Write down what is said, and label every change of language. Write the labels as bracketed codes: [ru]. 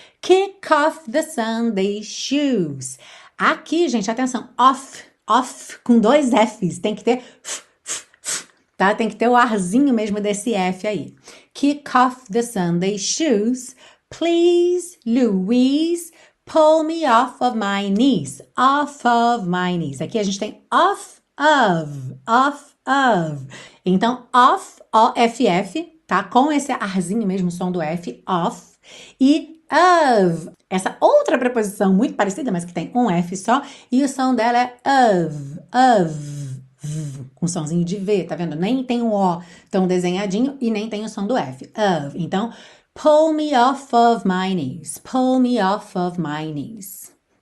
[en] Kick off the Sunday shoes. [pt] Aqui, gente, atenção, off, off, com dois Fs, tem que ter, tá? Tem que ter o arzinho mesmo desse F aí. [en] Kick off the Sunday shoes. Please, Louise, pull me off of my knees. Off of my knees. [pt] Aqui a gente tem [en] off of, off of. [pt] Então, off, O-F-F, tá? Com esse arzinho mesmo, som do F, off. E of, essa outra preposição muito parecida, mas que tem um F só, e o som dela é of, com um sonzinho de V, tá vendo? Nem tem um O tão desenhadinho e nem tem o som do F. [en] Of, [pt] então, [en] pull me off of my knees, pull me off of my knees.